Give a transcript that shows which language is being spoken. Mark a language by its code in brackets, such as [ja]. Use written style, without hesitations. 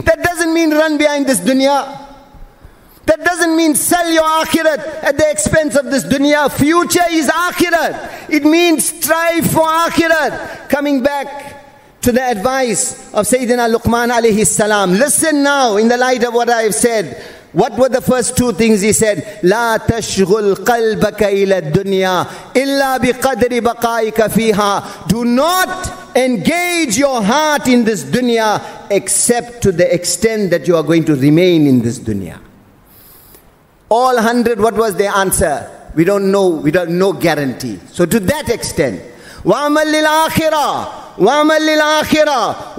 [en] That doesn't mean run behind this dunya. That doesn't mean sell your akhirat at the expense of this dunya. Future is akhirat. It means strive for akhirat. Coming back to the advice of Sayyidina Luqman alayhi salam. Listen now in the light of what I have said. What were the first two things he said? [ar] لا تشغل قلبك إلى الدنيا إلا بقدر بقائك فيها. [en] Do not engage your heart in this dunya except to the extent that you are going to remain in this dunya. All 100, what was their answer? We don't know. We don't know guarantee. So to that extent, [ar] وَعْمَلْ لِلْآخِرَةِ وَعْمَلْ لِلْآخِرَةِ.